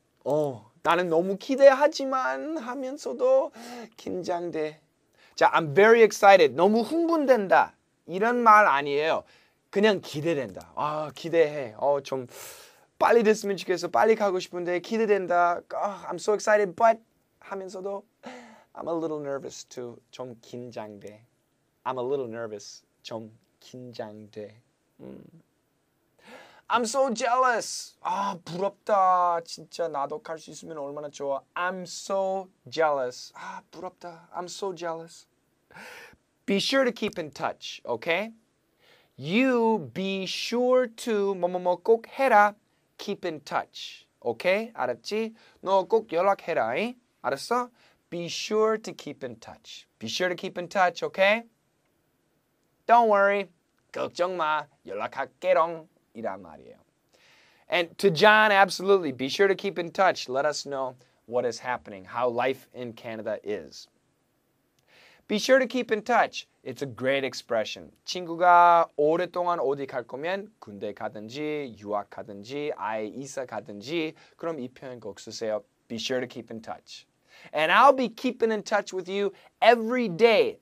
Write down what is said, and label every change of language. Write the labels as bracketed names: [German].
[Korean] Oh, 나는 너무 기대하지만 하면서도 긴장돼. 자, [English] I'm very excited, [Korean] 너무 흥분된다. 이런 말 아니에요. 그냥 기대된다. 아, 기대해. 좀 빨리 됐으면 좋겠어. 빨리 가고 싶은데 기대된다. [English] I'm so excited, but [Korean] 하면서도 [English] I'm a little nervous too. [Korean] 좀 긴장돼. [English] I'm a little nervous. [Korean] 좀 긴장돼. [English] I'm so jealous. [Korean] 아, 부럽다. 진짜 나도 갈 수 있으면 얼마나 좋아. [English] I'm so jealous. [Korean] 아, 부럽다. [English] I'm so jealous. Be sure to keep in touch, okay? You be sure to [Korean] 뭐뭐뭐 꼭 해라. [English] Keep in touch, okay? [Korean] 알았지? 너 꼭 연락해라, 이? 알았어? [English] Be sure to keep in touch. Be sure to keep in touch, okay? Don't worry. [Korean] 걱정 마. 연락할게롱. 이란 말이에요. [English] And to John, absolutely. Be sure to keep in touch. Let us know what is happening, how life in Canada is. Be sure to keep in touch. It's a great expression. [Korean] 친구가 오랫동안 어디 갈 거면 군대 가든지 유학 가든지 아예 이사 가든지 그럼 이 표현 꼭 쓰세요. [English] Be sure to keep in touch. And I'll be keeping in touch with you every day.